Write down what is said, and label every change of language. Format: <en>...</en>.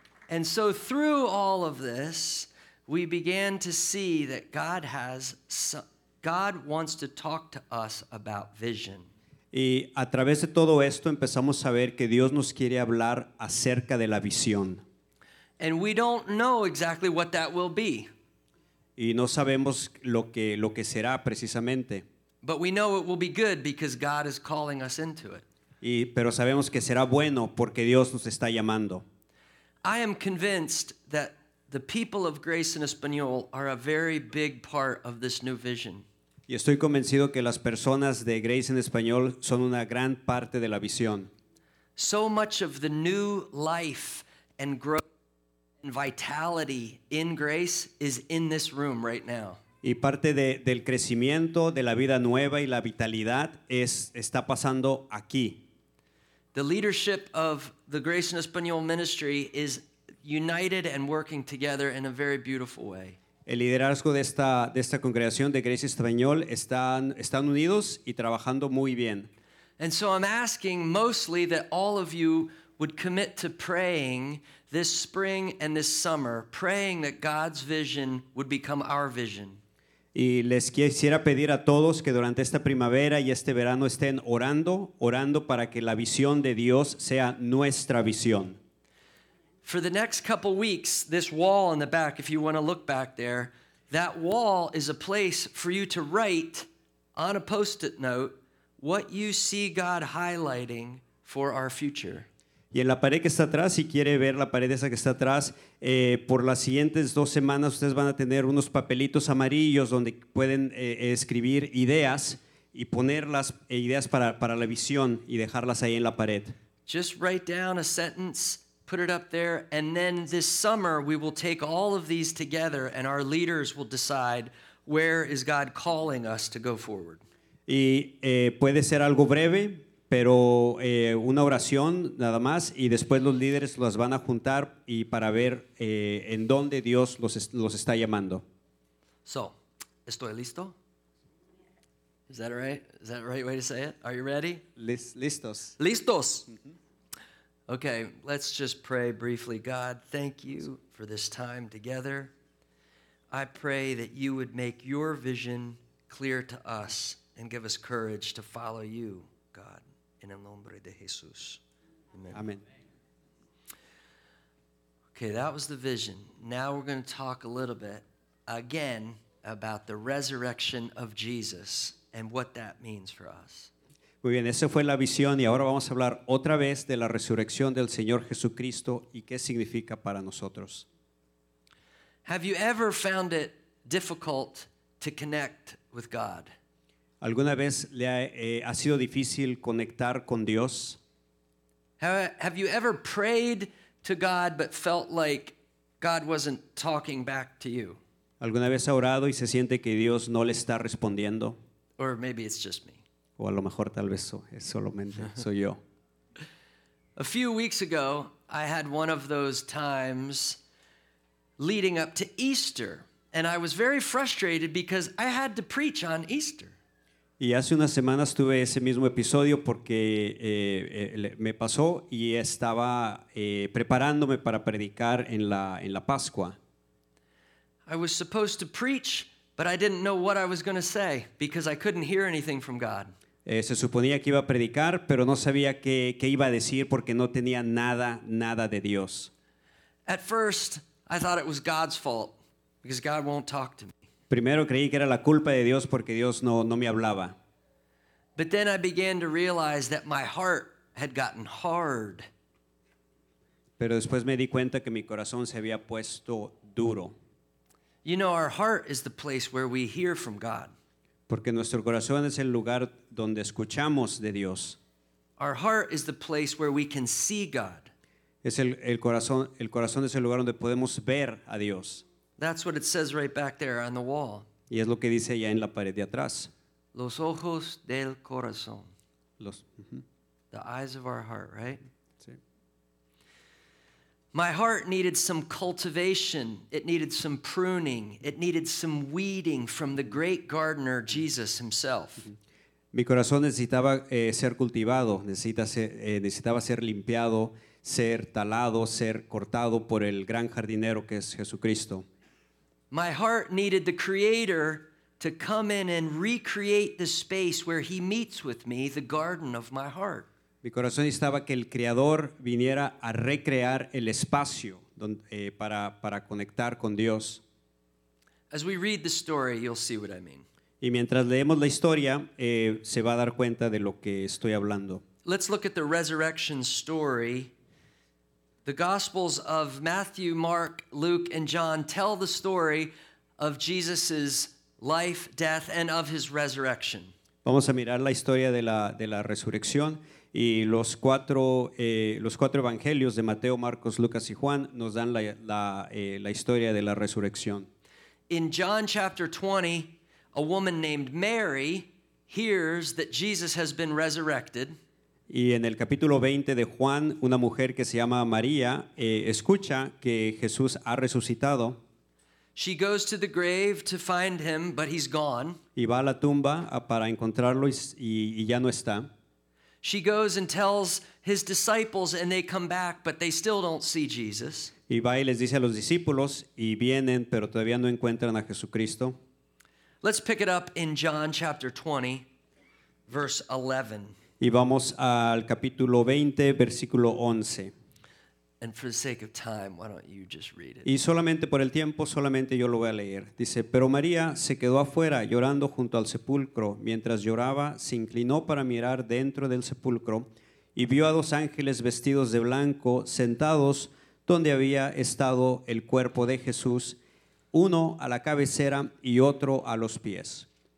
<en>And so through all of this, we began to see that God wants to talk to us about vision.</en> <es>Y a través de todo esto empezamos a ver que Dios nos quiere hablar acerca de la visión.</es> <en>And we don't know exactly what that will be.</en> <es>Y no sabemos lo que será precisamente.</es> <en>But we know it will be good because God is calling us into it.</en> <es>Pero sabemos que será bueno porque Dios nos está llamando.</es> <en>I am convinced that the people of Grace in Español are a very big part of this new vision.</en> <es>Y estoy convencido que las personas de Grace en Español son una gran parte de la visión.</es> <en>So much of the new life and growth and vitality in Grace is in this room right now.</en> <es>Y parte de, del crecimiento, de la vida nueva y la vitalidad es, está pasando aquí.</es> <en>The leadership of the Grace in Español ministry is united and working together in a very beautiful way.</en> <es>El liderazgo de esta congregación de Grace Español están, están unidos y trabajando muy bien.</es> <en>And so I'm asking mostly that all of you would commit to praying this spring and this summer, praying that God's vision would become our vision.</en> <es>Y les quisiera pedir a todos que durante esta primavera y este verano estén orando, orando para que la visión de Dios sea nuestra visión.</es> <en>For the next couple weeks, this wall in the back, if you want to look back there, that wall is a place for you to write on a post-it note what you see God highlighting for our future.</en> <es>Y en la pared que está atrás, si quiere ver la pared esa que está atrás, por las siguientes dos semanas ustedes van a tener unos papelitos amarillos donde pueden escribir ideas y poner las ideas para, para la visión y dejarlas ahí en la pared.</es> <en>Just write down a sentence, put it up there, and then this summer we will take all of these together and our leaders will decide where is God calling us to go forward.</en> <es>Y puede ser algo breve, pero una oración nada más, y después los líderes las van a juntar y para ver en dónde Dios los, los está llamando.</es> <en>So,</en> <es>¿estoy listo?</es> <en>Is that right? Is that the right way to say it? Are you ready?</en> <es>Listos. Listos.</es> <en>Mm-hmm. Okay, let's just pray briefly. God, thank you for this time together. I pray that you would make your vision clear to us and give us courage to follow you, God. In the name of Jesus. Amen. Amen. Okay, that was the vision. Now we're going to talk a little bit again about the resurrection of Jesus and what that means for us.</en> <es>Muy bien, esa fue la visión y ahora vamos a hablar otra vez de la resurrección del Señor Jesucristo y qué significa para nosotros.</es> <en>Have you ever found it difficult to connect with God?</en> <es>¿Alguna vez le ha, ha sido difícil conectar con Dios?</es> <en>Have you ever prayed to God but felt like God wasn't talking back to you?</en> <es>¿Alguna vez ha orado y se siente que Dios no le está respondiendo?</es> <en>Or maybe it's just me.</en> <es>O a lo mejor tal vez es solamente soy yo.</es> <en>A few weeks ago, I had one of those times leading up to Easter, and I was very frustrated because I had to preach on Easter.</en> <es>Y hace unas semanas tuve ese mismo episodio porque me pasó y estaba preparándome para predicar en la Pascua.</es> <en>I was supposed to preach, but I didn't know what I was going to say because I couldn't hear anything from God.</en> <es>Se suponía que iba a predicar, pero no sabía qué, qué iba a decir porque no tenía nada, nada de Dios.</es> <en>At first, I thought it was God's fault because God won't talk to me.</en> <es>Primero creí que era la culpa de Dios porque Dios no, no me hablaba.</es> <en>But then I began to realize that my heart had gotten hard.</en> <es>Pero después me di cuenta que mi corazón se había puesto duro.</es> <en>You know, our heart is the place where we hear from God.</en> <es>Porque nuestro corazón es el lugar donde escuchamos de Dios.</es> <en>Our heart is the place where we can see God.</en> <es>Es el corazón es el lugar donde podemos ver a Dios.</es> <en>That's what it says right back there on the wall.</en> <es>Y es lo que dice allá en la pared de atrás. Los ojos del corazón. Los,</es> <en>The eyes of our heart, right?</en> <es>Sí.</es> <en>My heart needed some cultivation. It needed some pruning. It needed some weeding from the great gardener, Jesus himself.</en> <es>Mi corazón necesitaba ser cultivado. Necesitaba ser limpiado, ser talado, ser cortado por el gran jardinero que es Jesucristo.</es> <en>My heart needed the Creator to come in and recreate the space where He meets with me, the garden of my heart.</en> <es>Mi corazón estaba que el Creador viniera a recrear el espacio donde, para conectar con Dios.</es> <en>As we read the story, you'll see what I mean.</en> <es>Y mientras leemos la historia, se va a dar cuenta de lo que estoy hablando.</es> <en>Let's look at the resurrection story. The Gospels of Matthew, Mark, Luke, and John tell the story of Jesus's life, death, and of his resurrection.</en> <es>Vamos a mirar la historia de la resurrección y los cuatro evangelios de Mateo, Marcos, Lucas y Juan nos dan la historia de la resurrección.</es> <en>in John chapter 20, a woman named Mary hears that Jesus has been resurrected.</en> <es>Y en el capítulo 20 de Juan, una mujer que se llama María escucha que Jesús ha resucitado.</es> <en>She goes to the grave to find him, but he's gone.</en> <es>Y va a la tumba para encontrarlo y ya no está.</es> <en>She goes and tells his disciples and they come back, but they still don't see Jesus.</en> <es>Y va y les dice a los discípulos y vienen, pero todavía no encuentran a Jesucristo.</es> <en>Let's pick it up in John chapter 20, verse 11.</en> <es>Y vamos al capítulo 20, versículo 11.</es> <en>And for the sake of time, why don't you just read it?</en> <es>Y solamente por el tiempo, solamente yo lo voy a leer. Dice, pero María se quedó afuera llorando junto al sepulcro. Mientras lloraba, se inclinó para mirar dentro del sepulcro y vio a dos ángeles vestidos de blanco sentados donde había estado el cuerpo de Jesús, uno a la cabecera y otro a los pies.</es>